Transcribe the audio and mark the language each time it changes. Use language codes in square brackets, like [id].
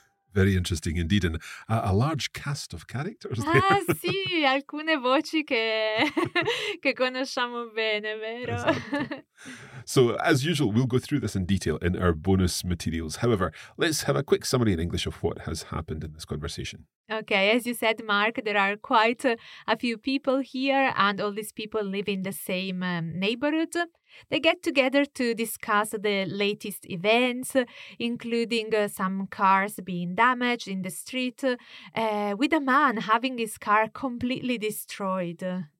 [en] Very interesting indeed, and a large cast of characters. [it] Ah, sì, alcune voci che conosciamo bene, vero? Esatto. [en] So, as usual, we'll go through this in detail in our bonus materials. However, let's have a quick summary in English of what has happened in this conversation. Okay, as you said, Mark, there are quite a few people here, and all these people live in the same neighborhood. They get together to discuss the latest events, including some cars being damaged in the street, with a man having his car completely destroyed.